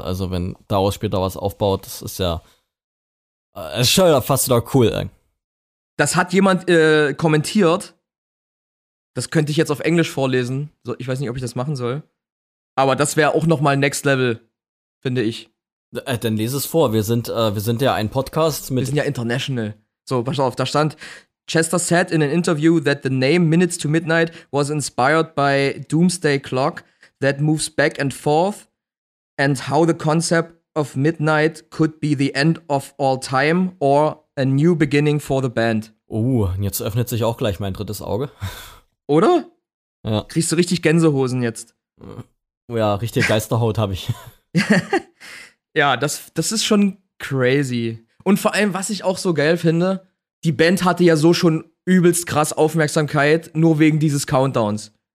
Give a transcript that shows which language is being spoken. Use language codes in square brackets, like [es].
[de] Also wenn daraus später was aufbaut, das ist ja das ist schon fast doch cool. Das hat jemand kommentiert. Das könnte ich jetzt auf Englisch vorlesen. Ich weiß nicht, ob ich das machen soll. Aber das wäre auch noch mal Next Level, finde ich. Dann lese es vor. Wir sind ja ein Podcast. Wir sind ja international. So, pass auf, da stand, [en] Chester said in an interview that the name Minutes to Midnight was inspired by Doomsday Clock that moves back and forth and how the concept of midnight could be the end of all time or a new beginning for the band. [de] Oh, jetzt öffnet sich auch gleich mein drittes Auge. Oder? Ja. Kriegst du richtig Gänsehosen jetzt? Oh ja, richtige Geisterhaut habe ich. Ja, das ist schon crazy. Und vor allem, was ich auch so geil finde, die Band hatte ja so schon übelst krass Aufmerksamkeit, nur wegen dieses Countdowns.